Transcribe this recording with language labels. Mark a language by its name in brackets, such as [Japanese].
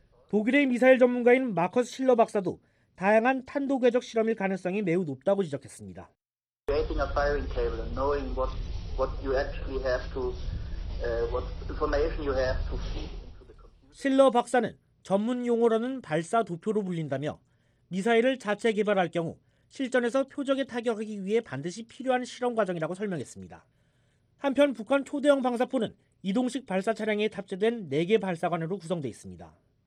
[Korean] 독일의 미사일 전문가인 마커스 실러 박사도 다양한 탄도 궤적 실험일 가능성이 매우 높다고 지적했습니다. [English] Creating a firing table and knowing what you actually have to what information you have to feed into the computer. [Korean] 실러 박사는 전문 용어로는 발사 도표로 불린다며 미사일을 자체 개발할 경우 실전에서 표적에 타격하기 위해 반드시 필요한 실험 과정이라고 설명했습니다. 한편 북한 초대형 방사포는 이동식 발사 차량에 탑재된 4개 발사관으로 구성돼 있습니다.